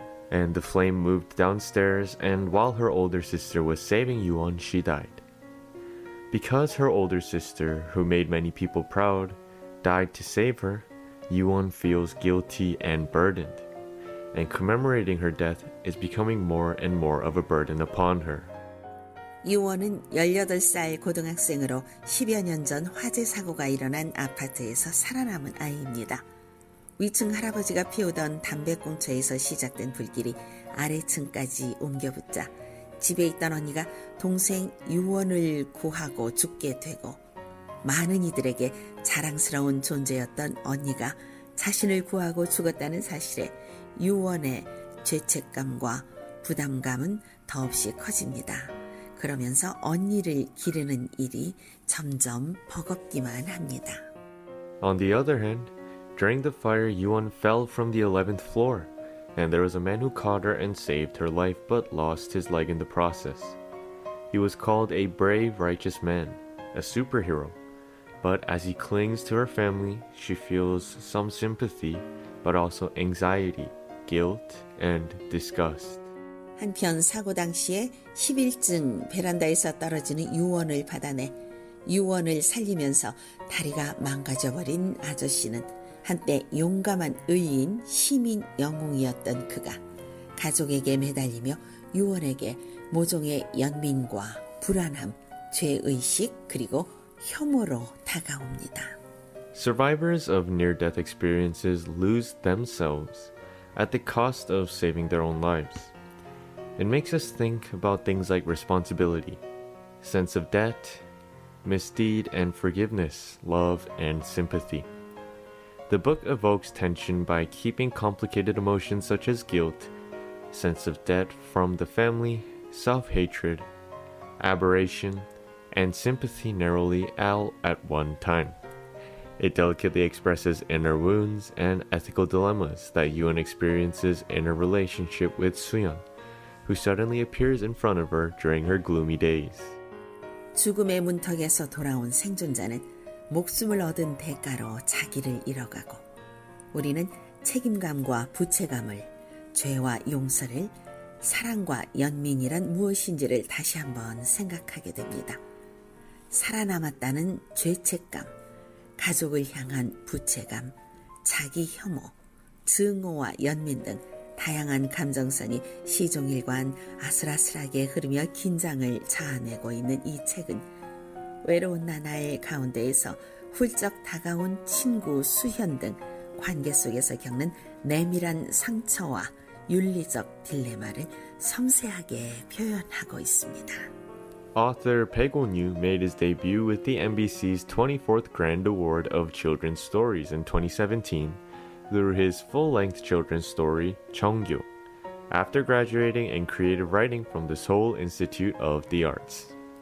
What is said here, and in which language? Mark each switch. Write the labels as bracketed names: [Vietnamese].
[English] And the flame moved downstairs, and while her older sister was saving Yuan, she died. Because her older sister, who made many people proud, died to save her, Yuan feels guilty and burdened. And commemorating her death is becoming more and more of a burden upon her. [Korean] 유원은 18살 고등학생으로 10여 년 전 화재 사고가 일어난 아파트에서 살아남은 아이입니다. 위층 할아버지가 피우던 담배꽁초에서 시작된 불길이 아래층까지 옮겨붙자 집에 있던 언니가 동생 유원을 구하고 죽게 되고 많은 이들에게 자랑스러운 존재였던 언니가 자신을 구하고 죽었다는 사실에 유원의 죄책감과 부담감은 더없이 커집니다. 그러면서 언니를 기르는 일이 점점 버겁기만 합니다. [English] On the other hand, during the fire, Yuan fell from the 11th floor, and there was a man who caught her and saved her life but lost his leg in the process. He was called a brave, righteous man, a superhero. But as he clings to her family, she feels some sympathy, but also anxiety, guilt, and disgust. [Korean] 한편 사고 당시에 11층 베란다에서 떨어지는 유원을 받아내 유원을 살리면서 다리가 망가져버린 아저씨는 한때 용감한 의인, 시민 영웅이었던 그가 가족에게 매달리며 유원에게 모종의 연민과 불안함, 죄의식, 그리고 혐오로 다가옵니다. [English] Survivors of near-death experiences lose themselves at the cost of saving their own lives. It makes us think about things like responsibility, sense of debt, misdeed and forgiveness, love and sympathy. The book evokes tension by keeping complicated emotions such as guilt, sense of debt from the family, self-hatred, aberration, and sympathy narrowly all at one time. It delicately expresses inner wounds and ethical dilemmas that Yuan experiences in her relationship with Suyeon, who suddenly appears in front of her during her gloomy days. [Korean] 죽음의 문턱에서 돌아온 생존자는 목숨을 얻은 대가로 자기를 잃어가고 우리는 책임감과 부채감을, 죄와 용서를, 사랑과 연민이란 무엇인지를 다시 한번 생각하게 됩니다. 살아남았다는 죄책감, 가족을 향한 부채감, 자기 혐오, 증오와 연민 등 다양한 감정선이 시종일관 아슬아슬하게 흐르며 긴장을 자아내고 있는 이 책은 외로운 나날 가운데에서 훌쩍 다가온 친구 수현 등 관계 속에서 겪는 내밀한 상처와 윤리적 딜레마를 섬세하게 표현하고 있습니다. [English] Author Baek Won-yu made his debut with the NBC's 24th Grand Award of Children's Stories in 2017 through his full-length children's story, 정규, after graduating in creative writing from the Seoul Institute of the Arts.